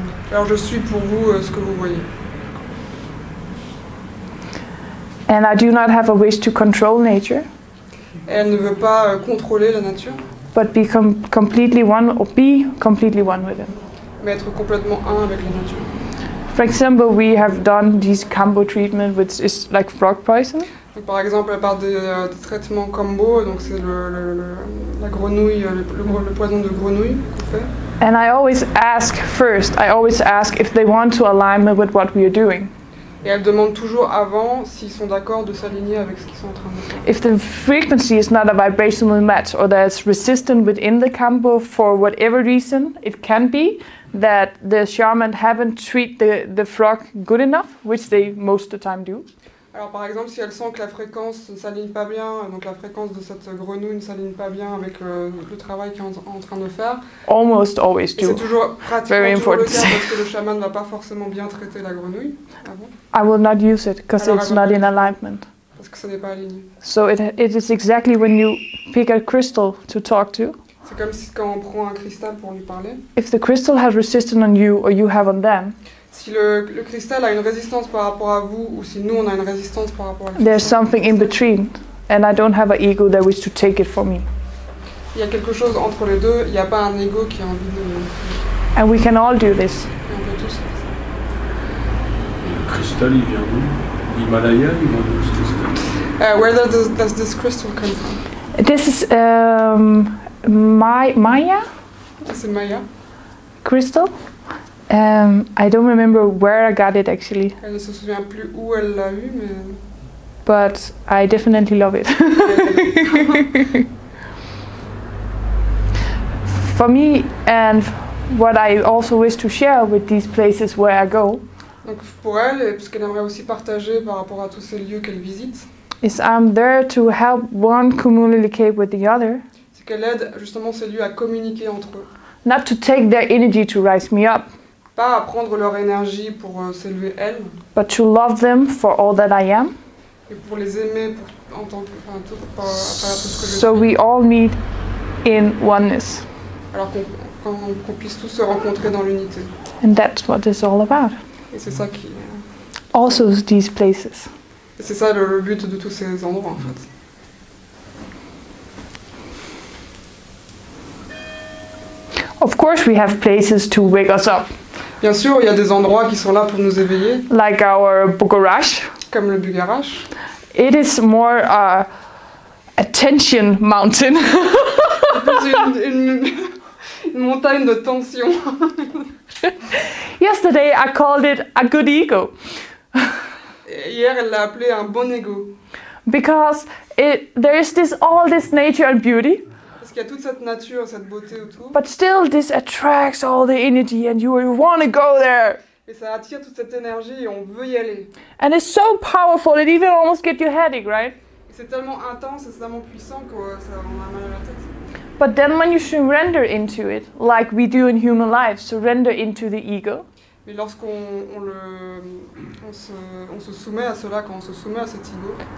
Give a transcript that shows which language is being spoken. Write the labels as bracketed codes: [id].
[fr] Alors je suis pour vous ce que vous voyez. [en] And I do not have a wish to control nature. [fr] Elle ne veut pas contrôler la nature. [en] But become completely one or be completely one with it. [fr] Mais être complètement un avec la nature. [en] For example, we have done these combo treatment, which is like frog poison. [fr] Par exemple, à part des traitements combo, donc c'est la grenouille, le poison de grenouille qu'on fait. [en] And I always ask first. I always ask if they want to align with what we are doing. [fr] Et elle demande toujours avant s'ils sont d'accord de s'aligner avec ce qu'ils sont en train de faire. [en] If the frequency is not a vibrational match or there's resistance within the combo for whatever reason, it can be that the shaman haven't treated the frog good enough, which they most of the time do. [fr] Alors par exemple, si elle sent que la fréquence ne s'aligne pas bien, donc la fréquence de cette grenouille ne s'aligne pas bien avec le travail qu'elle est en train de faire. [en] Almost always do. [fr] Et c'est toujours pratiquement toujours le cas parce que le chaman ne va pas forcément bien traiter la grenouille. [en] I will not use it because it's not in alignment. [fr] Parce que ça n'est pas aligné. [en] So it is exactly when you pick a crystal to talk to. [fr] C'est comme si quand on prend un cristal pour lui parler. [en] If the crystal has resistance on you or you have on them. [fr] Si le cristal a une résistance par rapport à vous ou si nous on a une résistance par rapport à lui. [en] There's something in between and I don't have an ego that wishes to take it for me. [fr] Il y a quelque chose entre les deux, il y a pas un ego qui a envie de. [en] And we can all do this. [fr] On peut tous. Le cristal il vient d'où? L'Himalaya, il vient d'où ce cristal? [en] Where does this crystal come from? This is Maya? [fr] C'est Maya. [en] Crystal? I don't remember where I got it actually. [fr] Elle ne se souvient plus où elle l'a eu, mais. [en] But I definitely love it. For me and what I also wish to share with these places where I go. [fr] Donc pour elle et parce qu'elle aimerait aussi partager par rapport à tous ces lieux qu'elle visite. [en] Is I'm there to help one communicate with the other. [fr] C'est qu'elle aide justement ces lieux à communiquer entre eux. [en] Not to take their energy to rise me up. [fr] Pas à prendre leur énergie pour s'élever elle. [en] But to love them for all that I am. [fr] Et pour les aimer pour, en tant que enfin, tout, par tout ce que je suis. [en] So we all meet in oneness. [fr] Alors qu'on puisse tous se rencontrer dans l'unité. [en] And that's what it's all about. [fr] Et c'est ça qui. [en] Also these places. [fr] Et c'est ça le but de tous ces endroits en fait. [en] Of course we have places to wake us up. [fr] Bien sûr, il y a des endroits qui sont là pour nous éveiller. [en] Like our Bugarash. [fr] Comme le Bugarash. [en] It is more a tension mountain. [fr] C'est plus une montagne de tension. [en] Yesterday I called it a good ego. [fr] Hier, elle l'a appelé un bon ego. [en] Because there is this all this nature and beauty. [fr] Il y a toute cette nature, cette beauté autour. [en] But still, this attracts all the energy, and you want to go there. [fr] Et ça attire toute cette énergie, et on veut y aller. [en] And it's so powerful, it even almost gets you headache, right? [fr] Et c'est tellement intense, c'est tellement puissant que ça rend mal à la tête. [en] But then, when you surrender into it, like we do in human life, surrender into the ego. [fr] Mais lorsqu'on se soumet à cela, quand on se soumet à cet ego,